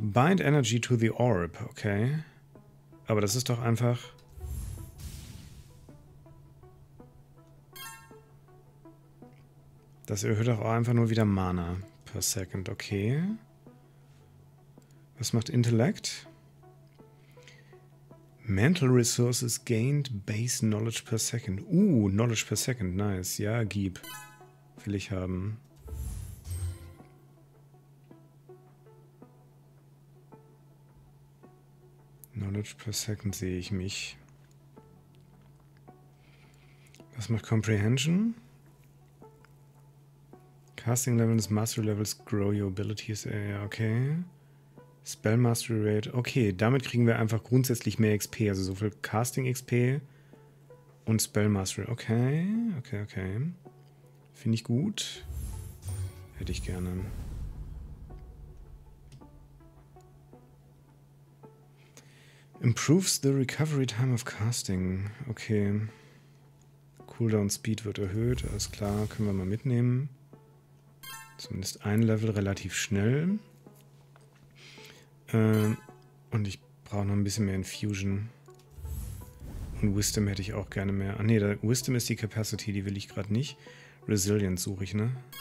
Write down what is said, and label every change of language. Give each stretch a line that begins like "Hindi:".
English: Bind Energy to the Orb, okay.
German: Aber das ist doch einfach... Das erhöht auch einfach nur wieder Mana per Second, okay. Was macht Intellect?
English: Mental Resources gained base knowledge per second. Knowledge per second, nice.
German: Ja, gib. Will ich haben.
English: Knowledge per second
German: sehe ich mich. Was macht Comprehension?
English: Casting Levels, Mastery Levels, grow your abilities.
German: Ja, okay. Spell Mastery Rate. Okay, damit kriegen wir einfach grundsätzlich mehr XP. Also so viel Casting XP und Spell Mastery. Okay, okay, okay. Finde ich gut. Hätte ich gerne.
English: Improves the recovery time of casting. Okay.
German: Cooldown Speed wird erhöht, alles klar, können wir mal mitnehmen. Zumindest ein Level relativ schnell. Und ich brauche noch ein bisschen mehr Infusion. Und Wisdom hätte ich auch gerne mehr. Ach ne, Wisdom ist die Capacity, die will ich gerade nicht. Resilience suche ich, ne?